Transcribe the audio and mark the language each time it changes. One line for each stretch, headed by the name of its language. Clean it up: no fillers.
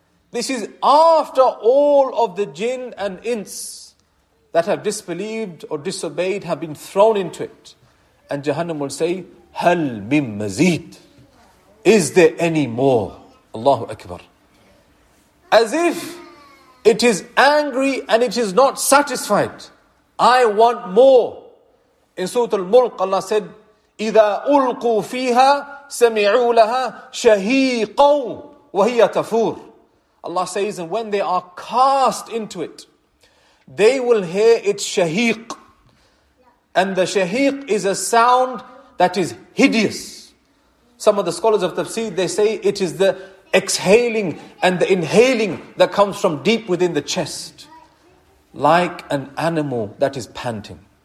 English: This is after all of the jinn and ins that have disbelieved or disobeyed have been thrown into it. And Jahannam will say,
Arabic: hal mim mazid.
English: Is there any more? Allahu Akbar. As if it is angry and it is not satisfied. I want more. In Surah Al-Mulk, Allah said,
Arabic: إِذَا أُلْقُوا فِيهَا سَمِعُوا لَهَا شَهِيقًا وَهِيَ تَفُورٌ.
English: Allah says, and when they are cast into it, they will hear its shaheeq. And the shaheeq is a sound that is hideous. Some of the scholars of tafsir, they say it is the exhaling and the inhaling that comes from deep within the chest, like an animal that is panting.